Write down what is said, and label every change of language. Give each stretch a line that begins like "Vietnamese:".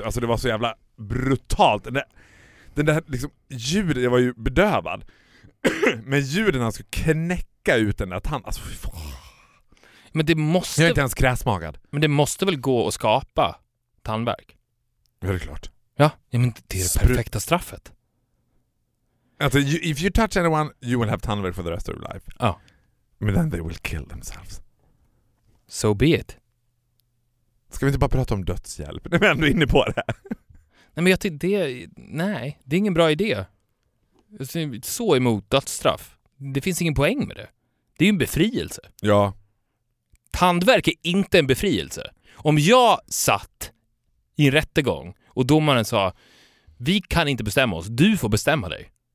Swedish: Alltså det var så jävla brutalt. Den där liksom ljudet, jag var ju bedövad. Men ljuden han skulle knäcka ut den där tanden. Alltså fy fan. Men det måste... Jag är inte ens kräsmagad. Men det måste väl gå att skapa tandvärk? Ja, det är klart. Ja, men det är det perfekta straffet.
English: Alltså, if you touch anyone, you will have tunnel for the rest of your life. Oh. But then they will kill themselves. So be it.
Swedish: Ska vi inte bara prata om dödshjälp? Nej, men du är inne på det. Nej, men jag tycker det... Nej, det är ingen bra idé. Så emot dödsstraff. Det finns ingen poäng med det. Det är ju en befrielse. Ja. Tandvärk är inte en befrielse. Om jag satt i en rättegång och domaren sa vi kan inte bestämma oss, du får bestämma dig.